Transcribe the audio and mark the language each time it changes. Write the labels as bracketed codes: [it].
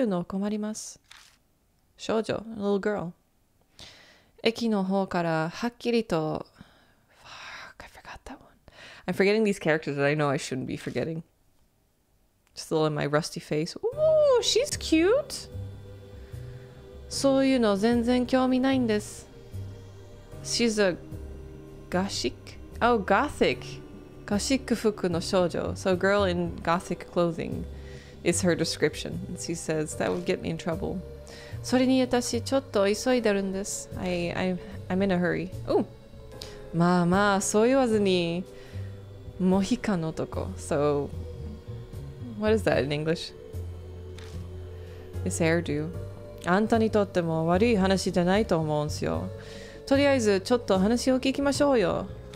[ja] あの、そういうの困ります. [en] 少女, a little girl. [ja] 駅の方からはっきりと... [en] Fuck, I forgot that one. I'm forgetting these characters that I know I shouldn't be forgetting. Still in my rusty face. Ooh, she's cute! [ja] そういうの全然興味ないんです. [en] She's a... Gashik? Oh, gothic! [ja] Gashik-fuku の少女. [en] So girl in gothic clothing. is her description. She says that would get me in trouble. [ja] それに私ちょっと急いでるんです。 [en] I'm in a hurry. [ja] Oh, まあまあそう言わずにモヒカの男。 [en] So, what is that in English? It's hairdo. [ja] あんたにとっても悪い話じゃないと思うんすよ。とりあえずちょっと話を聞きましょうよ。